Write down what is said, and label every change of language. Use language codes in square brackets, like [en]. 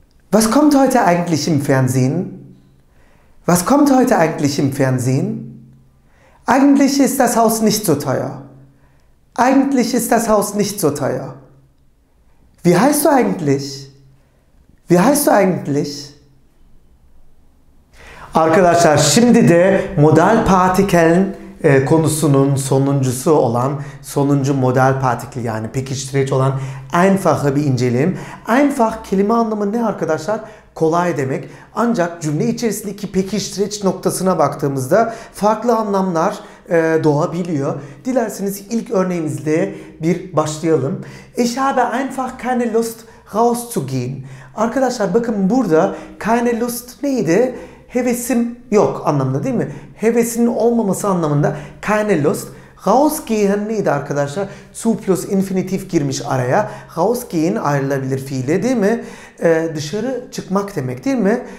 [de] Was kommt heute eigentlich im Fernsehen? Was kommt heute eigentlich im Fernsehen? Eigentlich ist das Haus nicht so teuer. Eigentlich ist das Haus nicht so teuer. Wie heißt du eigentlich? Wie heißt du eigentlich? [tr] Arkadaşlar şimdi de modal partikelin konusunun sonuncusu olan sonuncu modal partikel yani pekiştirici olan einfach'ı bir inceleyelim. Einfach kelime anlamı ne arkadaşlar? Kolay demek. Ancak cümle içerisindeki pekiştirici noktasına baktığımızda farklı anlamlar doğabiliyor. Dilerseniz ilk örneğimizle bir başlayalım. [de] Ich habe einfach keine Lust rauszugehen. [tr] Arkadaşlar bakın burada [de] keine Lust [tr] neydi? Hevesim yok anlamında değil mi? Hevesinin olmaması anlamında [de] keine Lust. [tr] Rausgehen neydi arkadaşlar? Zu plus infinitif girmiş araya. Rausgehen ayrılabilir fiile değil mi? Dışarı çıkmak demek değil mi?